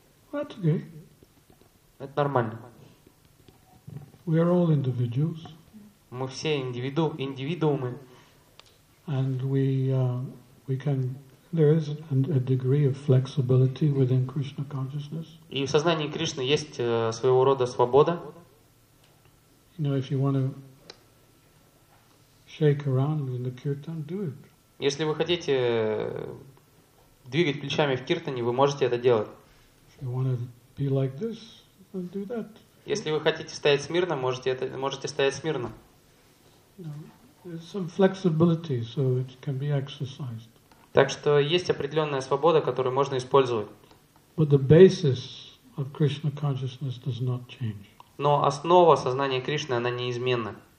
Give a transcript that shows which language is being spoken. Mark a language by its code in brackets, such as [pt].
[en] That's okay. [ru] Это нормально. [en] We are all individuals. [ru] Мы все индивидуумы. [en] And we can. There is a degree of flexibility within Krishna consciousness. [ru] И в сознании Кришны есть своего рода свобода. [en] You know, if you want to shake around in the kirtan, do it. [ru] Если вы хотите двигать плечами в киртане, вы можете это делать. [en] If you want to be like this, then do that. [ru] Если вы хотите стоять смирно, можете стоять смирно. [en] No, there's some flexibility, so it can be exercised. [ru] Так что есть определенная свобода, которую можно использовать. [en] But the basis of Krishna consciousness does not change. [ru] Но основа сознания Кришны, она неизменна.